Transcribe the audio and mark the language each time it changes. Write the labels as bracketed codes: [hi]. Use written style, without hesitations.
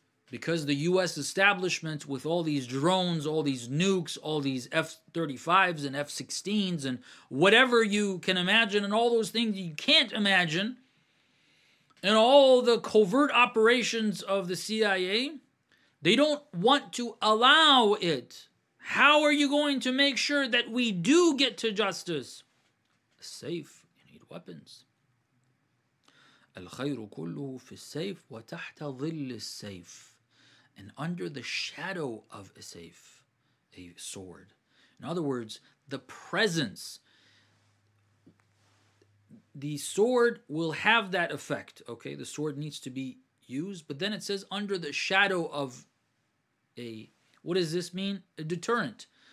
[en] Because the U.S. establishment with all these drones, all these nukes, all these F-35s and F-16s and whatever you can imagine and all those things you can't imagine and all the covert operations of the CIA, they don't want to allow it. How are you going to make sure that we do get to justice? Safe, you need weapons. [ar] الخير كله في السيف وتحت ظل السيف. [en] And under the shadow of a سيف, a sword. In other words, the presence. The sword will have that effect, okay? The sword needs to be used. But then it says under the shadow of a, what does this mean? A deterrent.